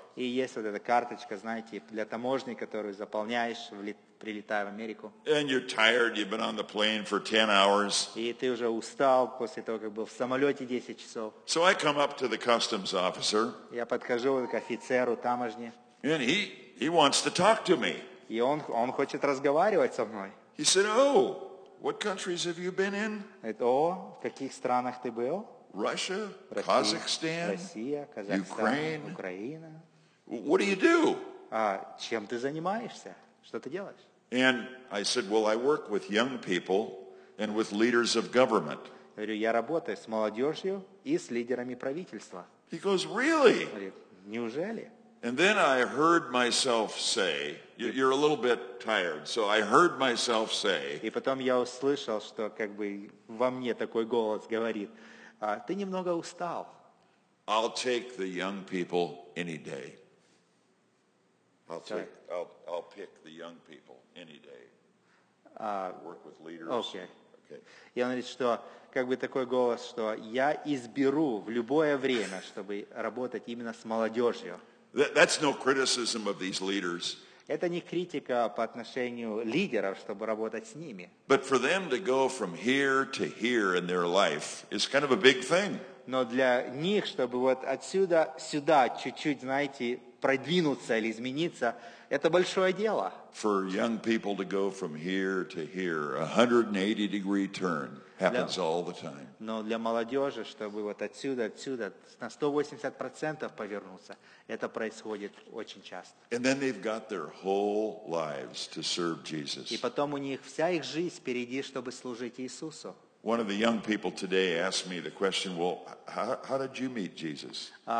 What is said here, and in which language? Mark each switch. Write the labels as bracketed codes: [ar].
[ru] И есть вот эта карточка, знаете, для таможни, которую заполняешь, прилетая в Америку. [en] And you're tired, you've been on the plane for 10 hours. [ru] И ты уже устал после того, как был в самолете 10 часов. [en] So I come up to the customs officer. [ru] Я подхожу к офицеру таможни. [en] And he wants to talk to me. [ru] И он хочет разговаривать со мной. [en] He said, oh, what countries have you been in? [ru] Это, о, в каких странах ты был? [en] Russia, Kazakhstan, [ru] Россия, Казахстан, [en] Ukraine. [ru] Украина. [en] What do you do? [ru] Чем ты занимаешься? Что ты делаешь? [en] And I said, well, I work with young people and with leaders of government. [ru] Я говорю, я работаю с молодежью и с лидерами правительства. [en] He goes, really? [ru] Неужели? [en] And then I heard myself say, you're a little bit tired, so I heard myself say, [ru] и потом я услышал, что как бы во мне такой голос говорит, ты немного устал. [en] I'll take the young people any day. I'll pick the young people any day. Work with leaders. Okay. [ru] Okay. И он говорит, что как бы такой голос, что я изберу в любое время, чтобы работать именно с молодежью. [en] That's no criticism of these leaders. [ru] Это не критика по отношению лидеров, чтобы работать с ними. [en] But for them to go from here to here in their life is kind of a big thing. [ru] Но для них, чтобы вот отсюда сюда чуть-чуть, знаете, продвинуться или измениться, это большое дело. [en] For young people to go from here to here, a 180-degree turn happens all the time. [ru] Но для молодежи, чтобы вот отсюда на 180% повернуться, это происходит очень часто. [en] And then they've got their whole lives to serve Jesus. [ru] И потом у них вся их жизнь впереди, чтобы служить Иисусу. [en] One of the young people today asked me the question, well, how did you meet Jesus?